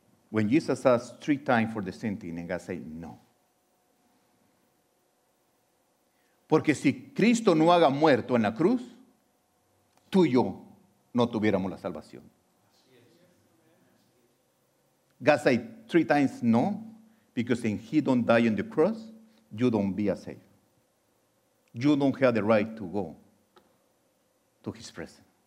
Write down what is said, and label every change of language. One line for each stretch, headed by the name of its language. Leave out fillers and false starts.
English: When Jesus asked three times for the same thing, and God said no.
Spanish: Porque si Cristo no haga muerto en la cruz, tú y yo no tuviéramos la salvación.
English: God said three times no, because if he don't die on the cross, you don't be a saved. You don't have the right to go to his presence.